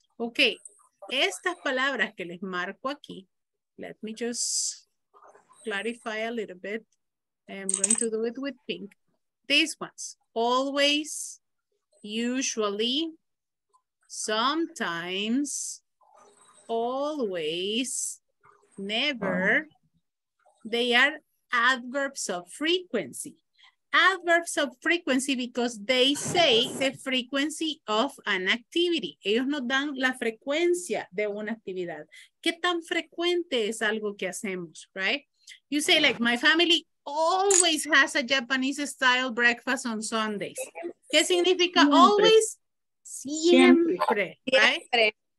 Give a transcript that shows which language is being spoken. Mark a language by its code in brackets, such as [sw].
[es] Okay, estas palabras que les marco aquí, [en] let me just clarify a little bit. I'm going to do it with pink. These ones, always, usually, sometimes, always, never, they are adverbs of frequency. Adverbs of frequency because they say the frequency of an activity. [es] Ellos nos dan la frecuencia de una actividad. ¿Qué tan frecuente es algo que hacemos, right? [en] You say like, my family always has a Japanese style breakfast on Sundays. [es] ¿Qué significa siempre. [en] Always? [es] Siempre, siempre, right?